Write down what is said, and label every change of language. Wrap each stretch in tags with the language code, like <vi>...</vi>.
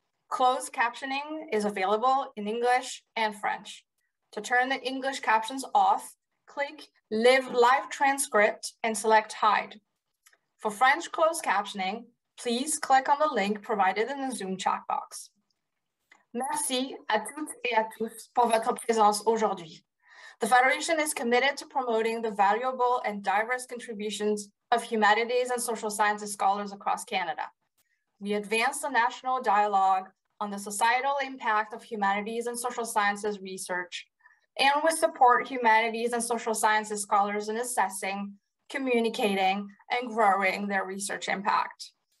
<en>Closed captioning is available in English and French. To turn the English captions off, click Live Transcript and select Hide. For French closed captioning, please click on the link provided in the Zoom chat box.</en> <fr>Merci à toutes et à tous pour votre présence aujourd'hui.</fr> <en>The Federation is committed to promoting the valuable and diverse contributions of humanities and social sciences scholars across Canada. We advance the national dialogue on the societal impact of humanities and social sciences research, and we support humanities and social sciences scholars in assessing, communicating, and growing their research impact.</en>